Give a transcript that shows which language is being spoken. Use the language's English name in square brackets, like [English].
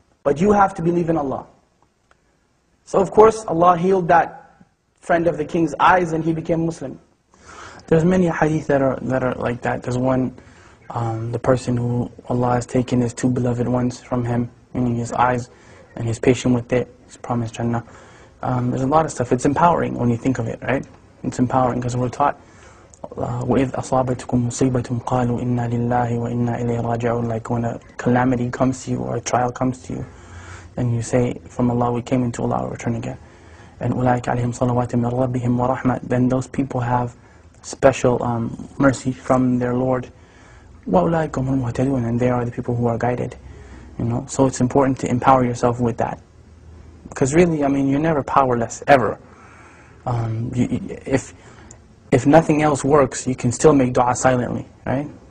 [English] But you have to believe in Allah. So of course, Allah healed that friend of the king's eyes and he became Muslim. There's many hadith that are like that. There's one, the person who Allah has taken his two beloved ones from him, meaning his eyes, and he's patient with it. He's promised Jannah. There's a lot of stuff. It's empowering when you think of it, right? It's empowering because we're taught, [Arabic] وَإِذْ أَصَابَتْكُمْ مُصِيبَةٌ قَالُوا إِنَّا لِلَّهِ وَإِنَّا إِلَيْهِ رَاجِعُونَ. [English] Like when a calamity comes to you or a trial comes to you, and you say, from Allah we came, into Allah we return again. [Arabic] And أُولَٰئِكَ عَلَيْهِمْ صَلَوَاتٍ مِنْ رَبِّهِمْ وَرَحْمَةٍ. [English] Then those people have special mercy from their Lord. [Arabic] وَأُولَٰئِكَ هُمُ الْمُهْتَدُونَ. [English] And they are the people who are guided. You know, so it's important to empower yourself with that. Because really, I mean, you're never powerless, ever. If nothing else works, you can still make dua silently, right?